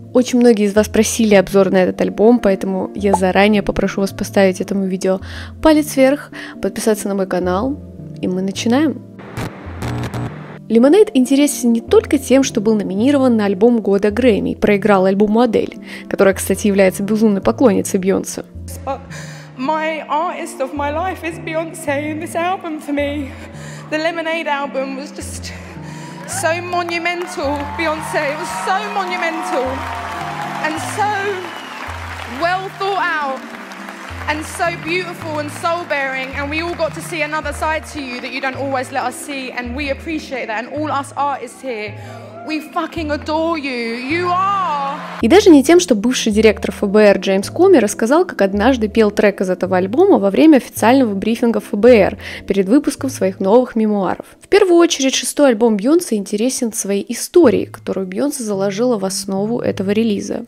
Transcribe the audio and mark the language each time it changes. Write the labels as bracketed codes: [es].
[ru] Очень многие из вас просили обзор на этот альбом, поэтому я заранее попрошу вас поставить этому видео палец вверх, подписаться на мой канал, и мы начинаем. Lemonade интересен не только тем, что был номинирован на альбом года Грэмми, проиграл альбому Адель, которая, кстати, является безумной поклонницей Бьонсе. [en] My artist of my life is Beyoncé in this album for me. The Lemonade album was just so monumental, Beyoncé. It was so monumental and so well thought out and so beautiful and soul-bearing. And we all got to see another side to you that you don't always let us see. And we appreciate that. And all us artists here, we fucking adore you. You are. [ru] И даже не тем, что бывший директор ФБР Джеймс Коми рассказал, как однажды пел трек из этого альбома во время официального брифинга ФБР перед выпуском своих новых мемуаров. В первую очередь, шестой альбом Бьонсе интересен своей историей, которую Бьонсе заложила в основу этого релиза.